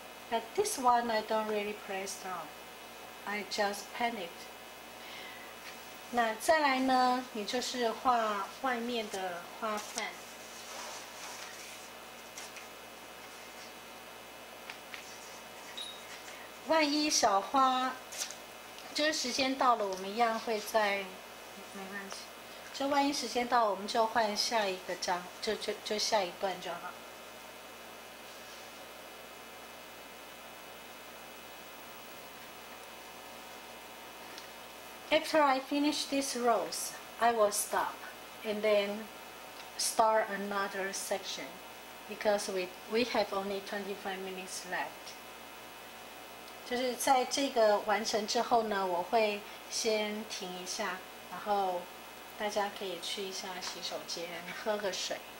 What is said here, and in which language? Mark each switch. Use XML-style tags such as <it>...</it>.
<en>But this one I don't really press down. I just paint it.</en> <zh>那再来呢，你就是画外面的花瓣。万一小花，就是时间到了，我们一样会再，没关系。就万一时间到了，我们就换下一个章，就下一段就好。</zh> <en>After I finish this rose, I will stop and then start another section because we have only 25 minutes left.</en> <zh>就是在这个完成之后呢，我会先停一下，然后大家可以去一下洗手间喝个水。</zh>